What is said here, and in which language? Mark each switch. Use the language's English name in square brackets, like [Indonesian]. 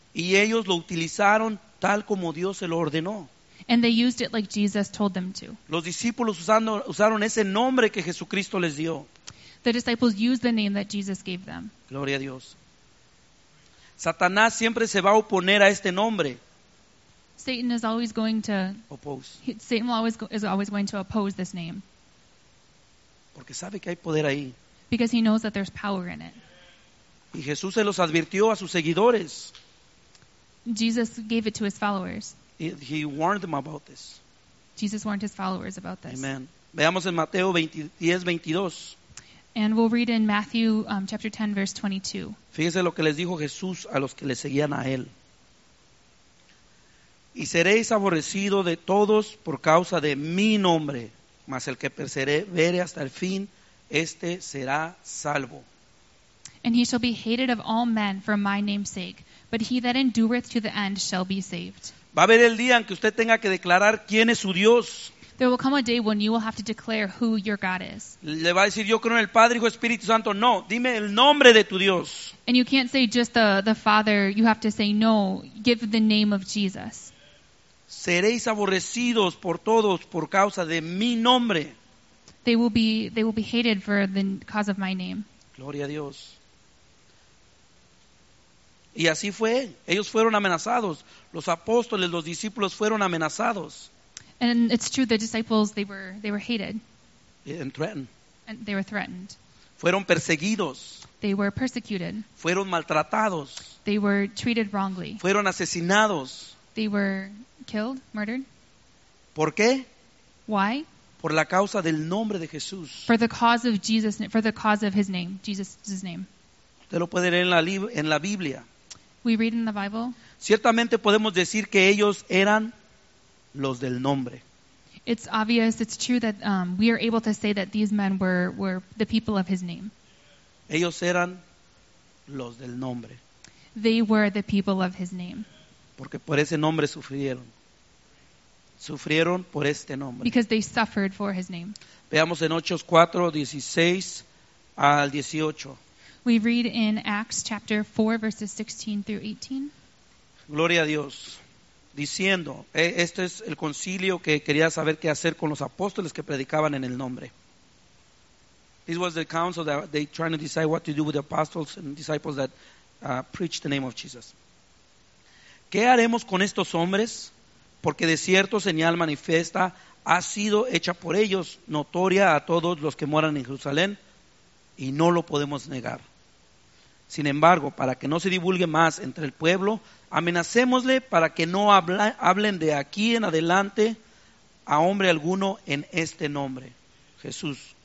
[Spanish] Y ellos lo utilizaron tal como Dios se lo ordenó. [English] And they used it like Jesus told them to. [Spanish] Los discípulos usaron ese nombre que Jesucristo les dio. [English] The disciples used the name that Jesus gave them. [Spanish] Gloria a Dios. Satanás siempre se va a oponer a este nombre. [English] Satan is always going to oppose. Satan will always go, is always going to oppose this name. [Spanish] Porque sabe que hay poder ahí. [English] Because he knows that there's power in it. [Spanish] Y Jesús se los advirtió a sus seguidores. [English] Jesus gave it to his followers. He warned them about this. Jesus warned his followers about this. [Spanish] Amen. Veamos en Mateo 10:22. [English] And we'll read in Matthew chapter 10, verse 22. [Spanish] Fíjese lo que les dijo Jesús a los que le seguían a él. Y seréis aborrecido de todos por causa de mi nombre, mas el que persevere hasta el fin, este será salvo. [English] And he shall be hated of all men for my name's sake, but he that endureth to the end shall be saved. [Spanish] Va a haber el día en que usted tenga que declarar quién es su Dios. [English] There will come a day when you will have to declare who your God is. [Spanish] Le va a decir, yo creo en el Padre, Hijo, Espíritu Santo. No, dime el nombre de tu Dios. [English] And you can't say just the Father. You have to say, no, give the name of Jesus. [Spanish] Seréis aborrecidos por todos por causa de mi nombre. [English] They will be hated for the cause of my name. [Spanish] Gloria a Dios. Y así fue. Ellos fueron amenazados. Los apóstoles, los discípulos fueron amenazados. [English] And it's true, the disciples, they were hated. And threatened. And they were threatened. [Spanish] Fueron perseguidos. [English] They were persecuted. [Spanish] Fueron maltratados. [English] They were treated wrongly. [Spanish] Fueron asesinados. [English] They were killed, murdered. [Spanish] ¿Por qué? [English] Why? [Spanish] Por la causa del nombre de Jesús. [English] For the cause of Jesus, for the cause of his name, Jesus' name. [Spanish] Usted lo puede leer en la Biblia. [English] We read in the Bible. [Spanish] Ciertamente podemos decir que ellos eran los del nombre. [English] It's obvious, it's true that we are able to say that these men were the people of his name. [Spanish] Ellos eran los del nombre. [English] They were the people of his name. [Spanish] Porque por ese nombre sufrieron. Sufrieron por este nombre. [English] Because they suffered for his name. [Spanish] Veamos en Hechos 4:16-18. [English] We read in Acts chapter 4, verses 16 through 18. [Spanish] Gloria a Dios. Diciendo, este es el concilio que quería saber qué hacer con los apóstoles que predicaban en el nombre. This was the council that they trying to decide what to do with the apostles and disciples that preached the name of Jesus. ¿Qué haremos con estos hombres? Porque de cierto señal manifiesta ha sido hecha por ellos notoria a todos los que moran en Jerusalén y no lo podemos negar. Sin embargo, para que no se divulgue más entre el pueblo, amenacémosle para que no hablen de aquí en adelante a hombre alguno en este nombre, Jesús.